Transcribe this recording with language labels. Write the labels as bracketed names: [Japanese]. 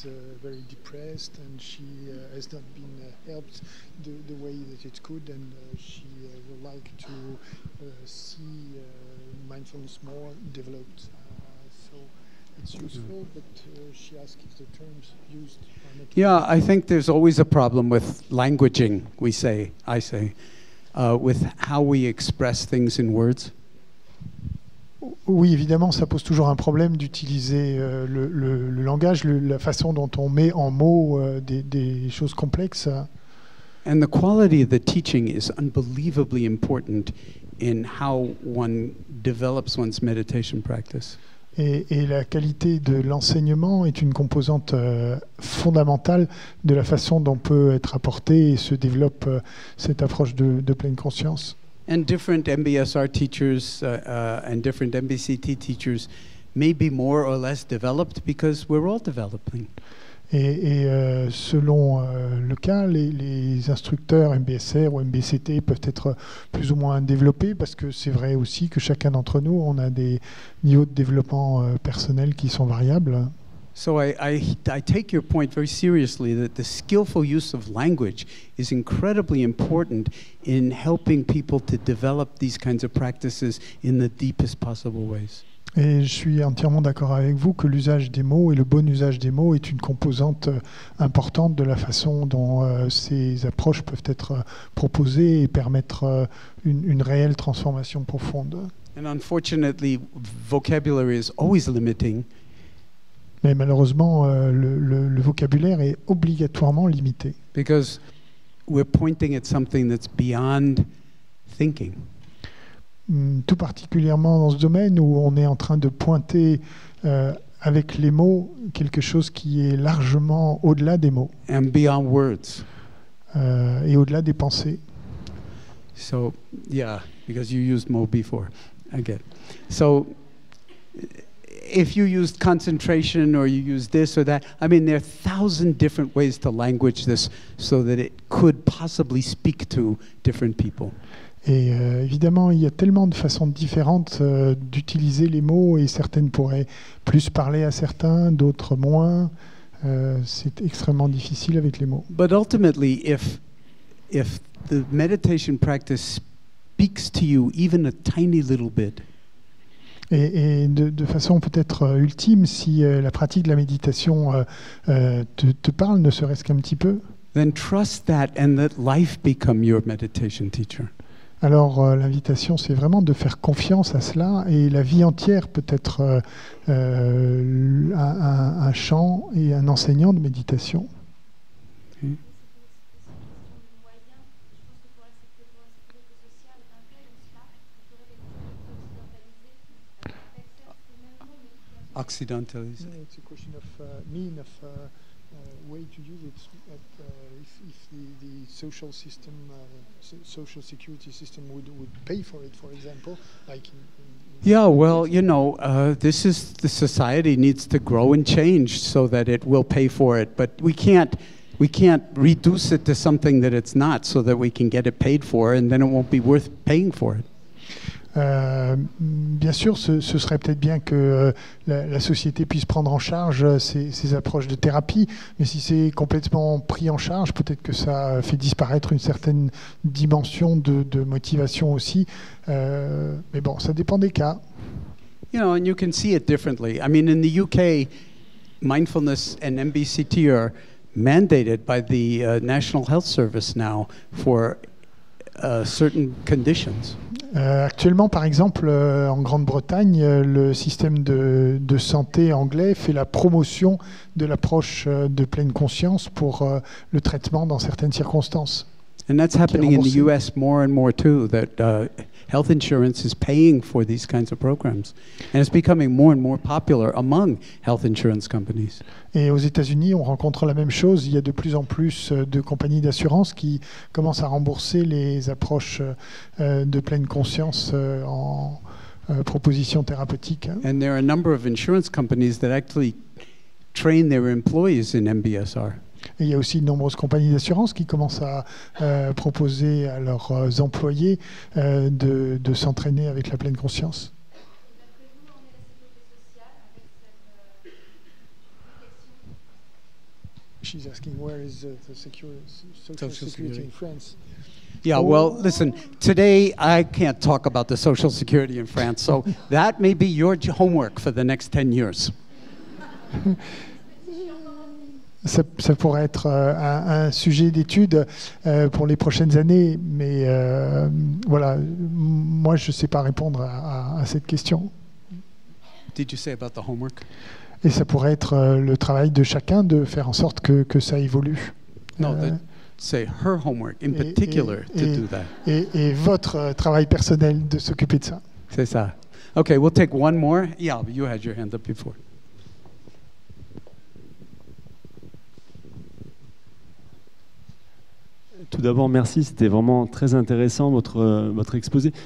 [English] is very depressed, and she has not been helped the way that it could, and she would like to see mindfulness more developed. So it's useful, but she asks if the terms used are not. Yeah, I think there's always a problem with languaging, with how we express things in words. [French] Oui, évidemment, ça pose toujours un problème d'utiliser le langage, la façon dont on met en mots des choses complexes. [English] And the quality of the teaching is unbelievably important in how one develops one's meditation practice. [French] Et la qualité de l'enseignement est une composante fondamentale de la façon dont peut être apportée et se développe cette approche de pleine conscience. [English] And different MBSR teachers and different MBCT teachers may be more or less developed because we're all developing. [French] Et selon le cas, les instructeurs MBSR ou MBCT peuvent être plus ou moins développés parce que c'est vrai aussi que chacun d'entre nous, on a des niveaux de développement personnel qui sont variables. [English] So I take your point very seriously that the skillful use of language is incredibly important in helping people to develop these kinds of practices in the deepest possible ways. [French] Et je suis entièrement d'accord avec vous que l'usage des mots et le bon usage des mots est une composante importante de la façon dont ces approches peuvent être proposées et permettre une réelle transformation profonde. [English] And unfortunately, vocabulary is always limiting. [French] Mais malheureusement, le vocabulaire est obligatoirement limité. [English] Because we're pointing at something that's beyond thinking. [French] Tout particulièrement dans ce domaine où on est en train de pointer avec les mots quelque chose qui est largement au-delà des mots. [English] And beyond words. [French] Et au-delà des pensées. [English] So, yeah, because you used more before. Again. So, if you used concentration or you used this or that, I mean, there are 1,000 different ways to language this so that it could possibly speak to different people. [French] Et évidemment, il y a tellement de façons différentes d'utiliser les mots et certaines pourraient plus parler à certains, d'autres moins. C'est extrêmement difficile avec les mots. [English] But ultimately, if the meditation practice speaks to you even a tiny little bit, [French] Et de façon peut-être ultime, si la pratique de la méditation te parle, ne serait-ce qu'un petit peu, [English] then trust that and let life become your meditation teacher. [French] Alors l'invitation, c'est vraiment de faire confiance à cela, et la vie entière peut être un champ et un enseignant de méditation. [English] Occidentalism. No, it's a question of mean, of way to use it. If the social system, social security system would pay for it, for example, like. Yeah, well, you know, this is the society needs to grow and change so that it will pay for it. But we can't reduce it to something that it's not, so that we can get it paid for, and then it won't be worth paying for it. [French] Bien sûr, ce serait peut-être bien que la société puisse prendre en charge ces approches de thérapie, mais si c'est complètement pris en charge, peut-être que ça fait disparaître une certaine dimension de motivation aussi. Mais bon, ça dépend des cas. [English] You know, and you can see it differently. I mean, in the UK, mindfulness and MBCT are mandated by the National Health Service now for certain conditions. [French] Actuellement, par exemple, en Grande-Bretagne, le système de santé anglais fait la promotion de l'approche de pleine conscience pour le traitement dans certaines circonstances. [English] And that's happening in the US more and more too, that health insurance is paying for these kinds of programs. And it's becoming more and more popular among health insurance companies. [French] Et aux États-Unis, on rencontre la même chose. Il y a de plus en plus de compagnies d'assurance qui commencent à rembourser les approches de pleine conscience en proposition thérapeutique. [English] And there are a number of insurance companies that actually train their employees in MBSR. [French] Et il y a aussi de nombreuses compagnies d'assurance qui commencent à proposer à leurs employés de s'entraîner avec la pleine conscience. D'après vous, où en est la sécurité sociale avec cette protection [English] She's asking where is the social security in France. Yeah, well, listen, today I can't talk about the social security in France, so that may be your homework for the next 10 years. [French] Ça pourrait être un sujet d'étude pour les prochaines années, mais voilà, moi je ne sais pas répondre à cette question. [English] Did you say about the homework? [French] Et ça pourrait être le travail de chacun de faire en sorte que ça évolue. Non, c'est [English] her homework in particular to do that. [French] Et votre travail personnel de s'occuper de ça. C'est ça. [English] Okay, we'll take one more. Yeah, you had your hand up before. [French] Tout d'abord, merci. C'était vraiment très intéressant votre exposé.